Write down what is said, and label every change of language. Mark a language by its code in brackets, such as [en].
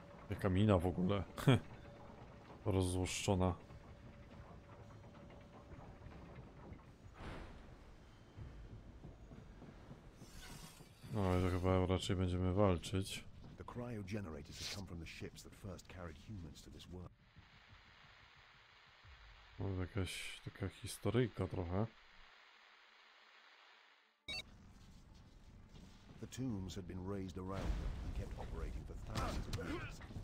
[pl] Jaka mina w ogóle? Rozzłoszczona. No i to chyba raczej będziemy walczyć. [en] The cryogenerators have come from the ships that first carried humans to this world. [pl] Jakaś taka historyjka trochę. [en] The tombs had been raised around them and kept operating for thousands of years.